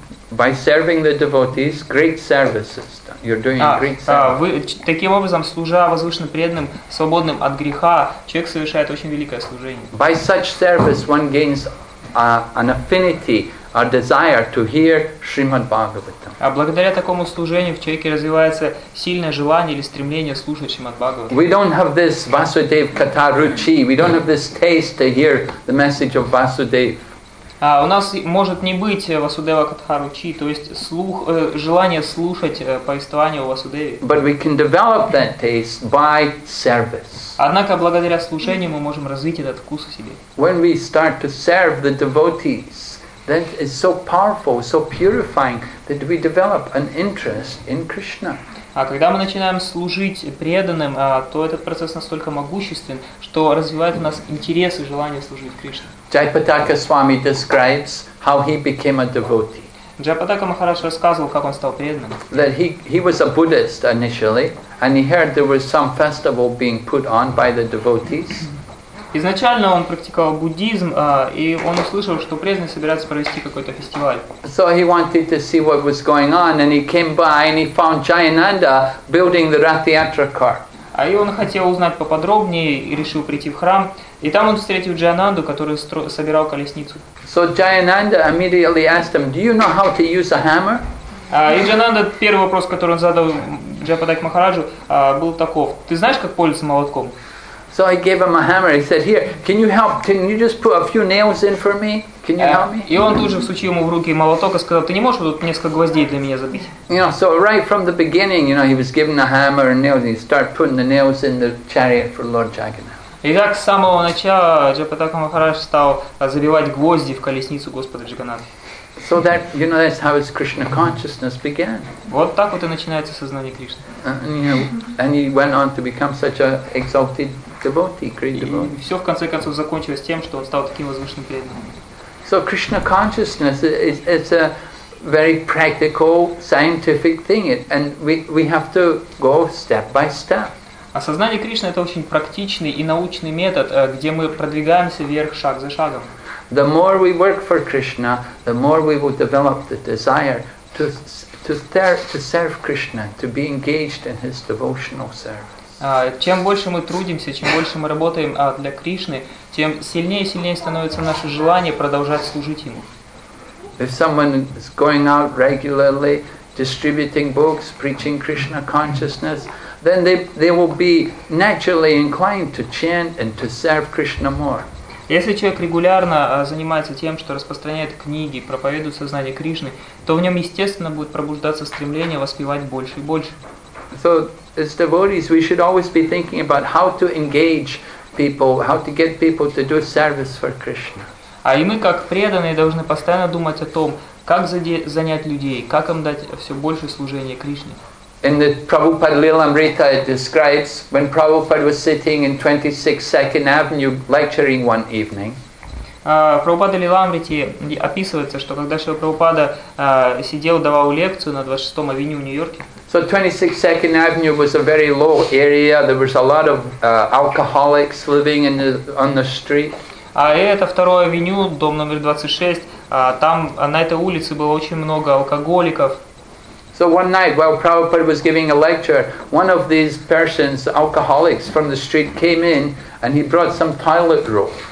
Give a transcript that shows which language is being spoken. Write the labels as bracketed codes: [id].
[en] by serving the devotees, great services. You're doing great service. [ru] Вы таким образом, служа возвышенным преданным, свободным от греха, человек совершает очень великое служение. [en] By such service, one gains an affinity, a desire to hear Srimad Bhagavatam. [ru] А благодаря такому служению в человеке развивается сильное желание или стремление слушать Шримад Бхагаватам. [en] We don't have this Vasudev Katha Ruchi. We don't have this taste to hear the message of Vasudev. [ru] У нас может не быть Васудева Катха Ручи, то есть слух, желание слушать повествование о Васудеве. [en] But we can develop that taste by service. [ru] Однако благодаря служению мы можем развить этот вкус в себе. [en] When we start to serve the devotees, that is so powerful, so purifying, that we develop an interest in Krishna. [ru] А когда мы начинаем служить преданным, то этот процесс настолько могуществен, что развивает у нас интерес и желание служить Кришне. [en] Jayapataka Swami describes how he became a devotee. [ru] Jayapataka Maharaj рассказывал, как он стал преданным. [en] That he was a Buddhist initially, and he heard there was some festival being put on by the devotees. [ru] Изначально он практиковал буддизм, и он услышал, что преданные собираются провести какой-то фестиваль. [en] So he wanted to see what was going on, and he came by and he found Jayananda building the Rathyatra car. [ru] А и он хотел узнать поподробнее и решил прийти в храм. И там он встретил Джайананду, который собирал колесницу. [en] So Jayananda immediately asked him, "Do you know how to use a hammer?" [ru] И Джайананда первый вопрос, который он задал Джайападайк Махараджу, был таков: "Ты знаешь, как пользоваться молотком?" [en] So I gave him a hammer. He said, "Here, can you help? Can you just put a few nails in for me? Can you help me?" [ru] И он тут же всучил ему в руки молоток и сказал: "Ты не можешь тут несколько гвоздей для меня забить?" [en] You know, so right from the beginning, you know, he was given a hammer and nails, and he started putting the nails in the chariot for Lord Jagannath. [ru] И так с самого начала Джайапатака Махарадж стал забивать гвозди в колесницу Господа Джаганатха. [en] So that, you know, that's how his Krishna consciousness began. [ru] Вот так вот и начинается сознание Кришны. [en] And he went on to become such an exalted devotee, great devotee. [ru] И все в конце концов закончилось тем, что он стал таким возвышенным преданным. [en] So Krishna consciousness is a very practical, scientific thing, and we have to go step by step. [ru] Осознание Кришны это очень практичный и научный метод, где мы продвигаемся вверх шаг за шагом. [en] The more we work for Krishna, the more we will develop the desire to serve Krishna, to be engaged in His devotional service. [ru] Чем больше мы трудимся, чем больше мы работаем для Кришны, тем сильнее и сильнее становится наше желание продолжать служить Ему. [en] If someone is going out regularly, distributing books, preaching Krishna consciousness, then they will be naturally inclined to chant and to serve Krishna more. [ru] Если человек регулярно занимается тем, что распространяет книги, проповедует сознание Кришны, то в нем естественно будет пробуждаться стремление воспевать больше и больше. [en] So, as devotees, we should always be thinking about how to engage people, how to get people to do service for Krishna. [ru] А и мы, как преданные, должны постоянно думать о том, как занять людей, как им дать все больше служения Кришне. [en] In the Prabhupada Lilamrita, it describes when Prabhupada was sitting in 26 Second Avenue lecturing one evening. [ru] Prabhupada Lilamrita описывается, что когда Шрила Прабхупада сидел, давал лекцию на 26th Avenue в Нью-Йорке. [en] So 26 Second Avenue was a very low area. There was a lot of alcoholics living on the street. [ru] А это 2nd Avenue, дом номер 26. Там на этой улице было очень много алкоголиков. [en] So one night, while Prabhupada was giving a lecture, one of these persons, alcoholics from the street, came in and he brought some toilet roll.